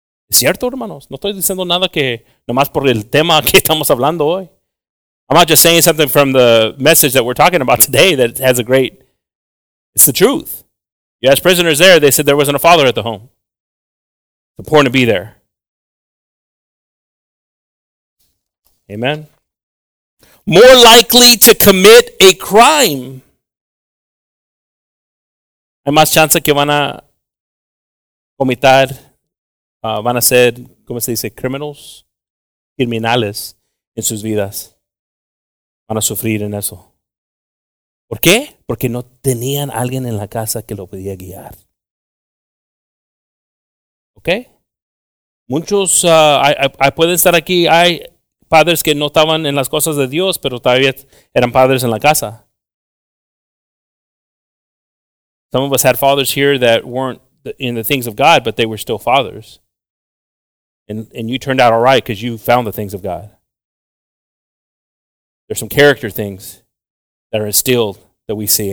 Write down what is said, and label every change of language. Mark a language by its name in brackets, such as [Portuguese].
[Spanish] ¿Cierto, hermanos? No estoy diciendo nada que nomás por el tema que estamos hablando hoy. [English] I'm not just saying something from the message that we're talking about today that has a great, it's the truth. You ask prisoners there, they said there wasn't a father at the home. It's important to be there. Amen. More likely to commit a crime. [Spanish] Hay más chance que van a comitar, van a ser, ¿cómo se dice? Criminals, criminales en sus vidas. Van a sufrir en eso. ¿Por qué? Porque no tenían alguien en la casa que lo podía guiar. ¿Ok? Muchos pueden estar aquí. Hay padres que no estaban en las cosas de Dios, pero todavía eran padres en la casa. [English] Some of us had fathers here that weren't in the things of God, but they were still fathers. And you turned out all right because you found the things of God. There's some character things that are instilled that we see.